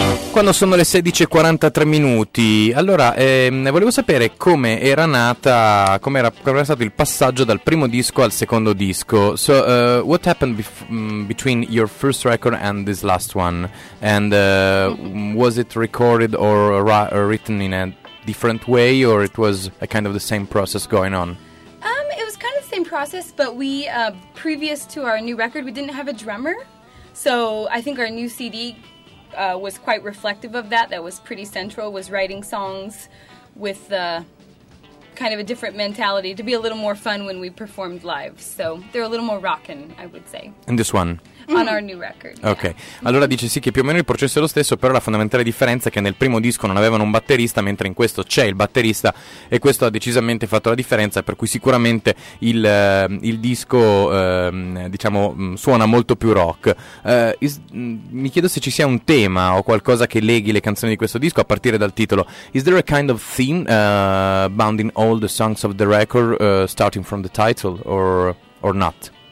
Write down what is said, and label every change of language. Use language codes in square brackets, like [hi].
[it] Quando sono le 16:43 minuti, allora volevo sapere come era nata, come era stato il passaggio dal primo disco al secondo disco. [en] So, what happened between your first record and this last one? And was it recorded or written in a different way, or it was a kind of the same process going on? It was kind of the same process, but we, previous to our new record, we didn't have a drummer. So I think our new CD was quite reflective of that. That was pretty central, was writing songs with kind of a different mentality to be a little more fun when we performed live. So they're a little more rockin', I would say. And this one? On our new record. [it] Ok, allora dice sì che più o meno il processo è lo stesso, però la fondamentale differenza è che nel primo disco non avevano un batterista, mentre in questo c'è il batterista, e questo ha decisamente fatto la differenza, per cui sicuramente il disco diciamo suona molto più rock. Mi chiedo se ci sia un tema o qualcosa che leghi le canzoni di questo disco a partire dal titolo. [en] Is there a kind of theme bounding all the songs of the record starting from the title or not?